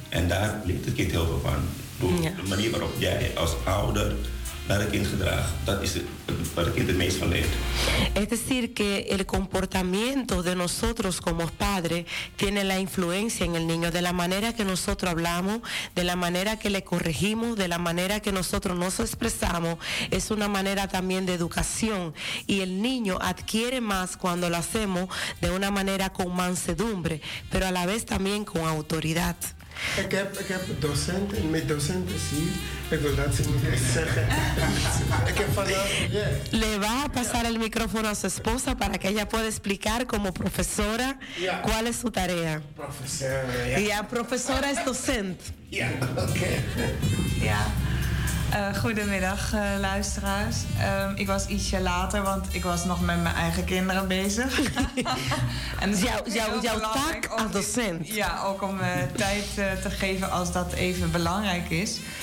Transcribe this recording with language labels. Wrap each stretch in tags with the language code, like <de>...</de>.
<nl>En daar leert het kind heel veel van. Door de manier waarop jij als ouder naar het kind gedragen. Dat is waar het kind het meest van leert.</nl> <es>Es decir que el comportamiento de nosotros como padres tiene la influencia en el niño. De la manera que nosotros hablamos, de la manera que le corregimos, de la manera que nosotros nos expresamos, es una manera también de educación. Y el niño adquiere más cuando lo hacemos de una manera con mansedumbre, pero a la vez también con autoridad.</es> <nl>Ik heb docenten, mijn docenten zien. Ik wil dat ze niet zeggen. Ik heb vandaag.</nl> <es>Le va a pasar el micrófono a su esposa para que ella pueda explicar como profesora cuál es su tarea. Profesora. Ja, profesora es docente.</es> <nl>Ja, oké. Ja. Goedemiddag, luisteraars. Ik was ietsje later, want ik was nog met mijn eigen kinderen bezig. En dus jouw taak als docent. Ja, ook om tijd te geven als dat even belangrijk is.</nl>